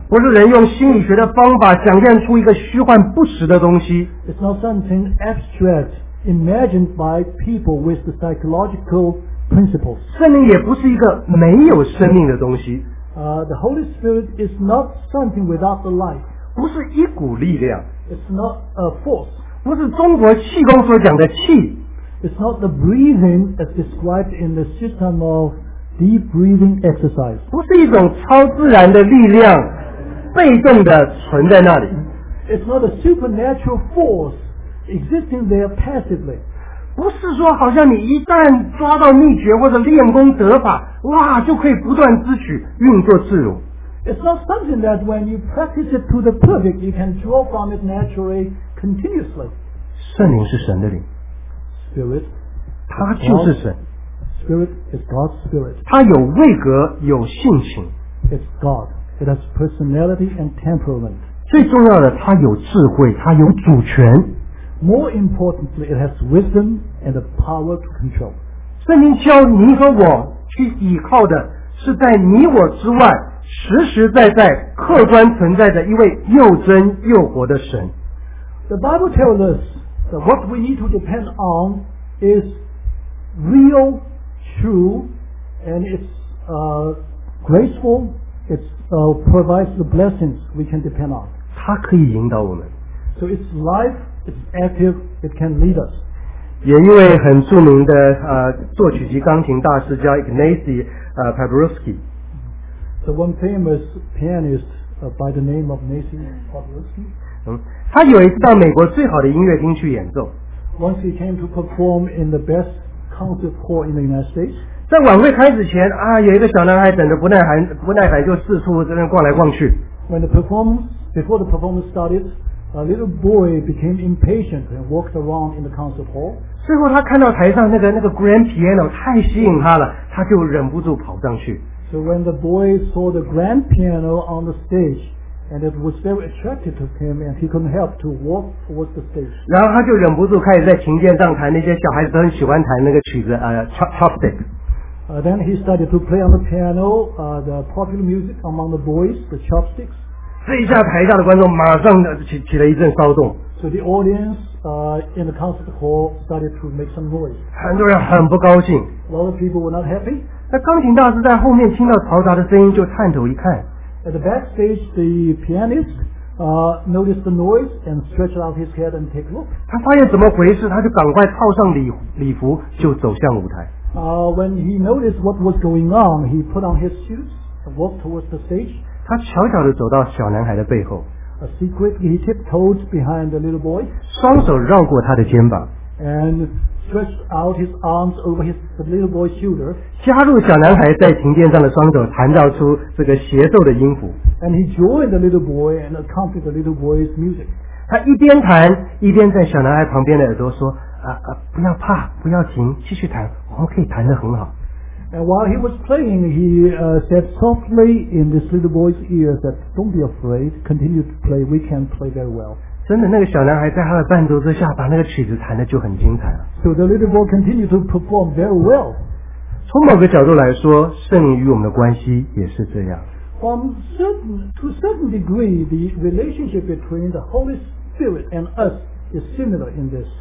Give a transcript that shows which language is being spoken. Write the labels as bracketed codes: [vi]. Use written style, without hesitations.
[zh] 不是人用心理学的方法想象出一个虚幻不实的东西。 [en] It's not something abstract imagined by people with the psychological... principles. [zh] 圣灵也不是一个没有生命的东西。 [en] The Holy Spirit is not something without the life. [zh] 不是一股力量。 [en] It's not a force. [zh] 不是中国气功所讲的气。 [en] It's not the breathing as described in the system of deep breathing exercise. [zh] 不是一种超自然的力量，被动的存在那里。 [en] It's not a supernatural force existing there passively. [zh] 不是说好像你一旦抓到秘诀或者练功得法，哇，就可以不断支取运作自如。 [en] It's not something that when you practice it to the perfect, you can draw from it naturally, continuously. [zh] 圣灵是神的灵。 [en] Spirit. [zh] 他就是神。 [en] Spirit is God's spirit. [zh] 他有位格，有性情。 [en] It's God. It has personality and temperament. [zh] 最重要的，他有智慧，他有主权。 [en] More importantly, it has wisdom and the power to control. [zh] 圣经教你和我去依靠的是在你我之外实实在在客观存在的一位又真又活的神。 [en] The Bible tells us that what we need to depend on is real, true, and it's graceful, it provides the blessings we can depend on. [zh] 它可以引导我们。 [en] So it's lifeIt's active, it can lead us. [zh] 也一位很著名的作曲及钢琴大师叫 Ignacy Paderewski. [en] The one famous pianist by the name of Ignacy Paderewski. [zh] 他有一次到美国最好的音乐厅去演奏。 [en] Once he came to perform in the best concert hall in the United States. [zh] 在晚会开始前啊，有一个小男孩等着不耐烦就四处在那逛来逛去。 [en] When the performance, before the performance started,A little boy became impatient and walked around in the concert hall. [zh] 最后他看到台上那个 grand piano 太吸引他了，他就忍不住跑上去。 [en] So when the boy saw the grand piano on the stage, and it was very attractive to him, and he couldn't help to walk towards the stage. [zh] 然后他就忍不住开始在琴键上弹那些小孩子都很喜欢弹那个曲子Chopstick. [en] Then he started to play on the piano, the popular music among the boys, the chopsticks. [zh] 这一下台下的观众马上起了一阵骚动。 [en] So the audience, in the concert hall started to make some noise. [zh] 很多人很不高兴。 [en] A lot of people were not happy. [zh] 那钢琴大师在后面听到嘈杂的声音就探头一看。 [en] At the backstage, the pianist, notice the noise and stretch out his head and take a look. [zh] 他发现怎么回事，他就赶快套上礼服，就走向舞台。 [en] When he noticed what was going on, he put on his suits and walked towards the stage. [zh] 他悄悄地走到小男孩的背后。 [en] Secretly, he tiptoed behind the little boy. [zh] 双手绕过他的肩膀。 [en] And stretched out his arms over the little boy's shoulder. [zh] 加入小男孩在琴键上的双手，弹奏出这个协奏的音符。 [en] And he joined the little boy and accompanied the little boy's music. [zh] 他一边弹，一边在小男孩旁边的耳朵说。不要怕，不要停，继续弹，我们可以弹得很好。 [en] And while he was playing, he said softly in this little boy's ear that don't be afraid, continue to play, we can play very well. [zh] 真的，那个小男孩在他的伴奏之下，把那个曲子弹得就很精彩了。 [en] So the little boy continued to perform very well. [zh] 从某个角度来说，圣灵与我们的关系也是这样。 [en] To a certain degree, the relationship between the Holy Spirit and us is similar in this.